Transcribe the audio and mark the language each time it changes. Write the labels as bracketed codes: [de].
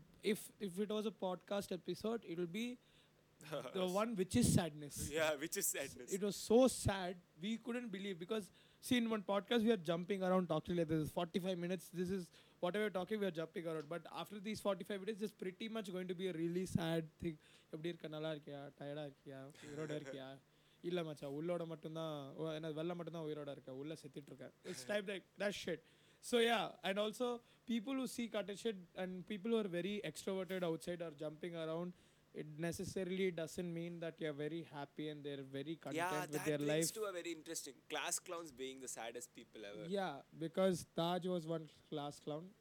[en] If it was a podcast episode, it would be the one which is sadness. Yeah, which is sadness. It was so sad. We couldn't believe because... See, in one podcast, we are jumping around talking like this. 45 minutes, this is whatever you're talking, we are jumping around. But after these 45 minutes, it's pretty much going to be a really sad thing. [ta] எப்படி இருக்கா நல்லா இருக்கியா டயர்டா இருக்கியா உயிரோட இருக்கியா இல்ல மச்சா உள்ளோட மட்டும்தான் வெள்ள மட்டும்தான் உயிரோட இருக்க உள்ள செத்துட்டு இருக்கேன். [en] So yeah, and also people who see cut and shit and people who are very extroverted outside are jumping around, it necessarily doesn't mean that you're very happy and they're very content with their life. Yeah, that leads to a very interesting class clowns being the saddest people ever. Yeah, because Taj was one class clown